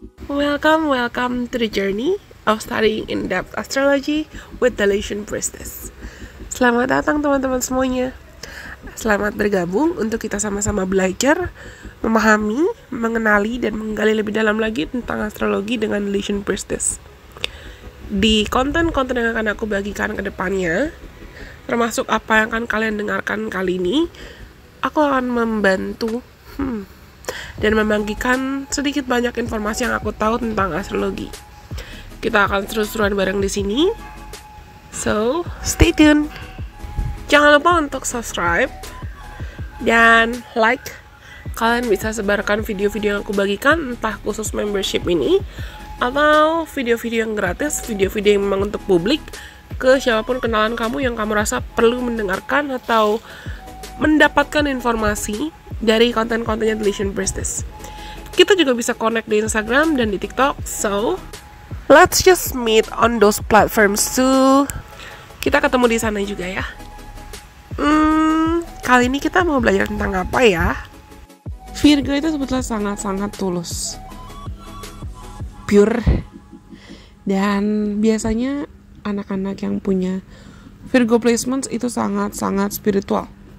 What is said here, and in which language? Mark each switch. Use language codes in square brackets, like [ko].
[en] Welcome, welcome to the journey of studying in-depth astrology with the Lucian Priestess. [id] Selamat datang teman-teman semuanya. Selamat bergabung untuk kita sama-sama belajar, memahami, mengenali, dan menggali lebih dalam lagi tentang astrologi dengan Lucian Priestess. Di konten-konten yang akan aku bagikan ke depannya, termasuk apa yang akan kalian dengarkan kali ini, aku akan membantu dan membagikan sedikit banyak informasi yang aku tahu tentang astrologi. Kita akan seru-seruan bareng di sini. [en] So, stay tuned. [id] Jangan lupa untuk subscribe dan like. Kalian bisa sebarkan video-video yang aku bagikan, entah khusus membership ini atau video-video yang gratis, video-video yang memang untuk publik, ke siapapun kenalan kamu yang kamu rasa perlu mendengarkan atau mendapatkan informasi dari konten-kontennya The Lucian Priestess. Kita juga bisa connect di Instagram dan di TikTok. [en] So, let's just meet on those platforms too. [id] Kita ketemu di sana juga ya. Kali ini kita mau belajar tentang apa ya? Virgo itu sebetulnya sangat-sangat tulus, pure. Dan biasanya anak-anak yang punya Virgo placements itu sangat-sangat spiritual.